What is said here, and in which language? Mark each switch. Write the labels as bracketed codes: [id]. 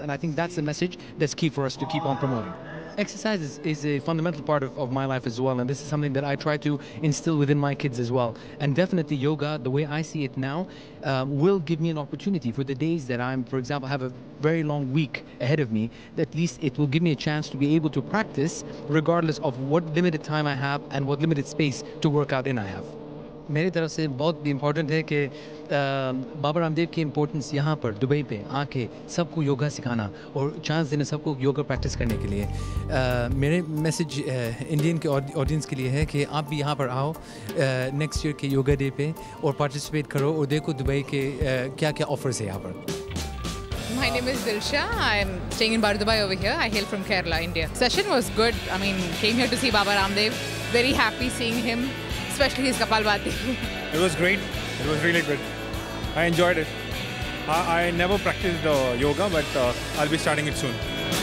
[en] And I think that's the message that's key for us to keep on promoting. Exercise is a fundamental part of my life as well, and this is something that I try to instill within my kids as well. And definitely yoga, the way I see it now, will give me an opportunity for the days that I'm, for example, have a very long week ahead of me, at least it will give me a chance to be able to practice regardless of what limited time I have and what limited space to work out in I have. [hi] मेरे तरफ से बहुत important है कि बाबा रामदेव की importance यहाँ पर Dubai पे आके सबको योगा सिखाना और चांस देना सबको योगा प्रैक्टिस करने के लिए। मेरे मैसेज इंडियन के ऑडियंस के लिए है कि आप भी यहाँ पर आओ नेक्स्ट ईयर के योगा डे पे और पार्टिसिपेट करो और देखो दुबई के क्या क्या ऑफर्स है यहाँ पर। [en] My name is Dilsha. I'm staying in Bar Dubai over here. I hail from Kerala, India. Session was good. I mean, came here to see Baba Ramdev. Very happy seeing him, especially his Kapalbhati. It was great. It was really good. I enjoyed it. I never practiced yoga, but I'll be starting it soon.